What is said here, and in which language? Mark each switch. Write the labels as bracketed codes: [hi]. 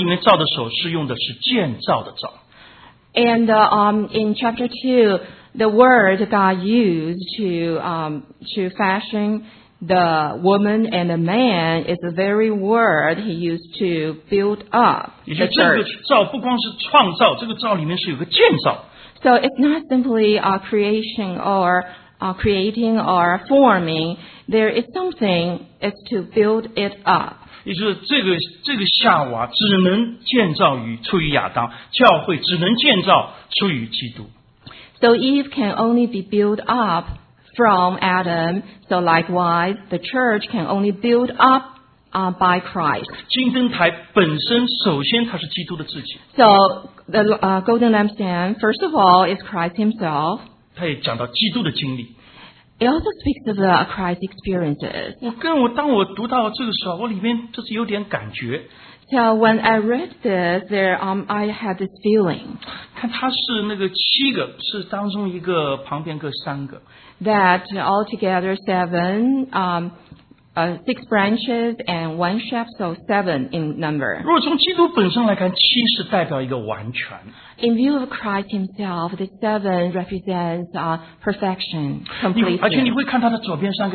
[zh] 那创世纪第二章的时候，当讲到二十二章二十二节，讲到造这个女人的时候呢，造她肋骨里面造的时候，是用的是建造的造。 [en] And in chapter 2, the word God used to fashion the woman and the man is the very word he used to build up. [zh] 也就是这个造不光是创造，这个造里面是有个建造。 [en] So it's not simply creation or creating or forming. There is something is to build it up. [zh] 也就是这个夏娃只能建造于出于亚当，教会只能建造出于基督。 [en] So Eve can only be built up from Adam. So likewise, the church can only build up by Christ. [zh] 金灯台本身首先它是基督的自己。 [en] So the golden lampstand, first of all, is Christ himself. It also speaks of the Christ experiences. [zh] 当我读到这个时候，我里面就是有点感觉。 [en] So when I read this, there I had this feeling. [zh] 看它是那个七个，是当中一个，旁边各三个。 [en] That altogether seven, six branches and one shaft, so seven in number. [zh] 若从基督本身来看，七是代表一个完全。 [en] In view of Christ himself, the seven represents perfection, completion.